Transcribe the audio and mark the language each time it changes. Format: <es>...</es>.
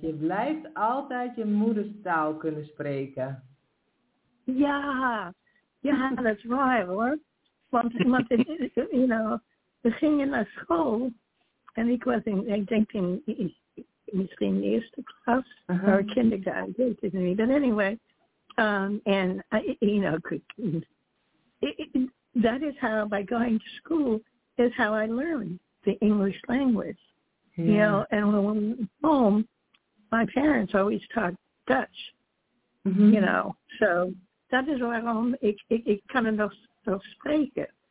<nl>Je blijft altijd je moederstaal kunnen spreken. Ja, ja, dat is waar hoor. Want we gingen naar school en ik was misschien in eerste klas of kindergarten, ik weet het niet,</nl> <en>but anyway. That is how, by going to school, is how I learned the English language. Yeah. You know, and when we went home, my parents always talked Dutch, mm-hmm. So that is why</en> <nl>ik kan het nog spreken.</nl>